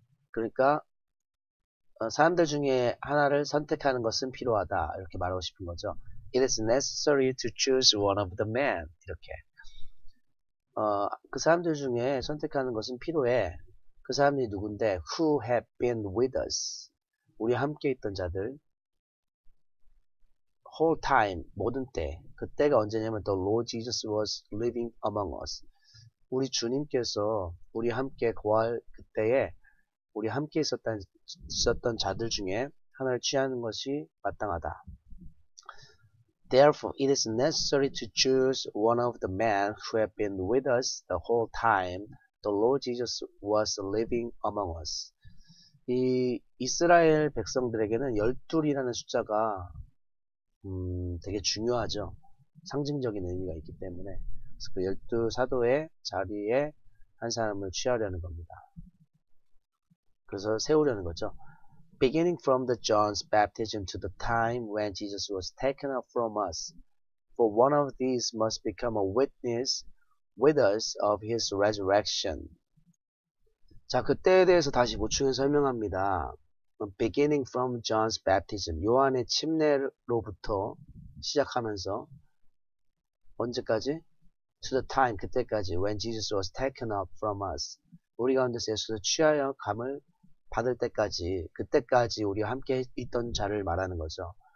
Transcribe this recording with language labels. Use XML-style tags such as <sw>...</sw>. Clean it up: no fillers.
<ko>그러니까, 사람들 중에 하나를 선택하는 것은 필요하다. 이렇게 말하고 싶은 거죠.</ko> <en>It is necessary to choose one of the men.</en> <ko>이렇게. 그 사람들 중에 선택하는 것은 필요해. 그 사람이 누군데? Who have been with us. 우리 함께 있던 자들. Whole time. 모든 때.</ko> <en>그때가 언제냐면 The Lord Jesus was living among us.</en> <ko>우리 주님께서 우리 함께 거할 그때에 우리 함께 있었던 자들 중에 하나를 취하는 것이 마땅하다.</ko> <en>Therefore, it is necessary to choose one of the men who have been with us the whole time the Lord Jesus was living among us.</en> <ko>이 이스라엘 백성들에게는 열둘이라는 숫자가 되게 중요하죠. 상징적인 의미가 있기 때문에 그 열두 사도의 자리에 한 사람을 취하려는 겁니다. 그래서 세우려는 거죠.</ko> <en>Beginning from the John's baptism to the time when Jesus was taken up from us, for one of these must become a witness with us of his resurrection.</en> <ko>자, 그때에 대해서 다시 보충해 설명합니다. Beginning from John's baptism, 요한의 침례로부터 시작하면서 언제까지? To the time, 그때까지 when Jesus was taken up from us, 우리 가운데서 예수를 취하여 감을 받을 때까지, 그때까지 우리와 함께 있던 자를 말하는 거죠.</ko>